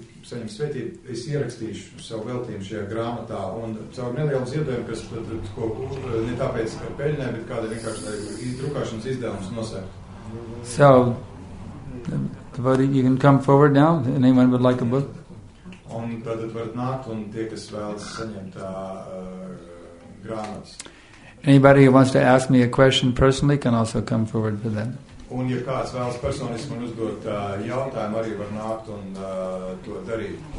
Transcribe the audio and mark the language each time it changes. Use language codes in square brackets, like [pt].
[lv] Saņem svētību, es ierakstīšu savu veltījumu šajā grāmatā un caur nelielu ziedojumu, kas ko, ne tāpēc, ka peļņē, bet kāda vienkārši drukāšanas izdevums nosēkt. [en] So, you can come forward now, anyone would like a book? [lv] Un tad varat nākt un tie, kas vēlas saņemt grāmatas. [en] Anybody who wants to ask me a question personally can also come forward for that. [lv] Un ja kāds vēlas personiski man uzdot jautājumu, arī var nākt un to darīt.